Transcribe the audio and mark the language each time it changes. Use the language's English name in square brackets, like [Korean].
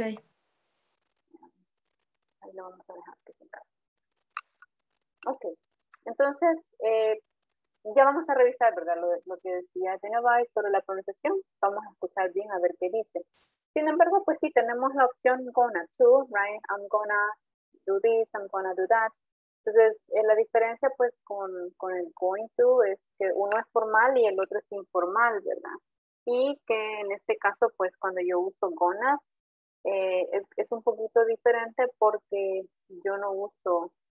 [Spanish] Ahí lo vamos a dejar que se cargue. Ok, entonces ya vamos a revisar, ¿verdad? Lo que decía Genevieve sobre la pronunciación. Vamos a escuchar bien a ver qué dice. Sin embargo, pues sí, tenemos la opción gonna to, right? [English] I'm gonna do this, I'm gonna do that. [Spanish] Entonces, la diferencia pues con el going to es que uno es formal y el otro es informal, ¿verdad? Y que en este caso, pues cuando yo uso gonna, es un poquito diferente porque yo no uso...